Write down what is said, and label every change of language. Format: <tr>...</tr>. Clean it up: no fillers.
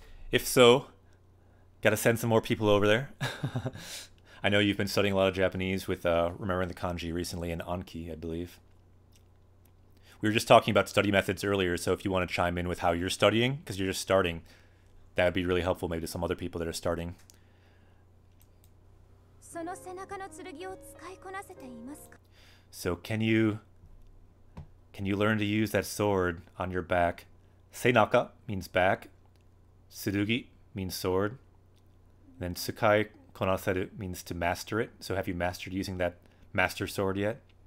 <en>If so, gotta send some more people over there. I know you've been studying a lot of Japanese with remembering the kanji recently in Anki, I believe. We were just talking about study methods earlier, so if you want to chime in with how you're studying, because you're just starting, that would be really helpful maybe to some other people that are starting.</en> <ja>その背中の剣を使いこなせていますか?</ja> <en>So can you learn to use that sword on your back? Seinaka means back. Tsurugi means sword. Then tsukai konaseru means to master it. So have you mastered using that master sword yet?</en>